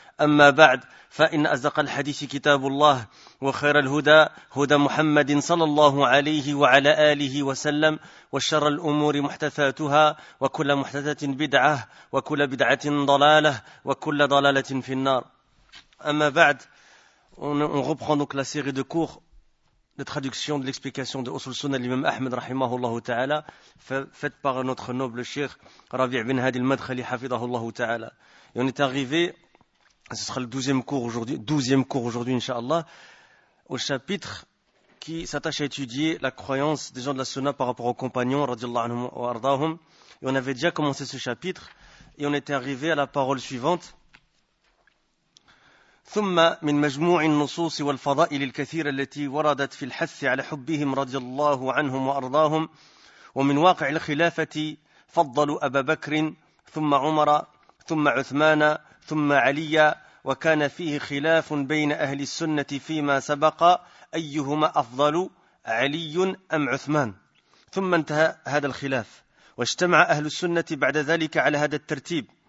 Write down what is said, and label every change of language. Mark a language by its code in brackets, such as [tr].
[ar] أما بعد، فإن أصدق الحديث كتاب الله وخير الهدى هدى محمد صلى الله عليه وعلى آله وسلم، وشر الأمور محدثاتها، وكل محدثة بدعة، وكل بدعة ضلالة، وكل ضلالة في النار. أما بعد، [fr] on reprend donc la série de cours de traduction de l'explication de Usul Sunnah l'Imam Ahmed [ar] رحمه الله تعالى [fr] faite par notre noble cheikh Rabi' bin Hadi al-Madkhali [ar] حفظه الله تعالى. [fr] Et on est arrivé, ce sera le 12e cours aujourd'hui, inshallah, au chapitre qui s'attache à étudier la croyance des gens de la Sunna par rapport aux compagnons, [ar] radiallahu anhum wa ardahum. [fr] Et on avait déjà commencé ce chapitre, et on était arrivé à la parole suivante. [ar] ثم من مجموع النصوص والفضائل الكثيرة التي وردت في الحث على حبهم رضي الله عنهم وأرضاهم ومن واقع الخلافة فضلوا أبا بكر ثم عمر ثم عثمان ثم علي وكان فيه خلاف بين أهل السنة فيما سبق أيهما أفضل علي أم عثمان ثم انتهى هذا الخلاف واجتمع أهل السنة بعد ذلك على هذا الترتيب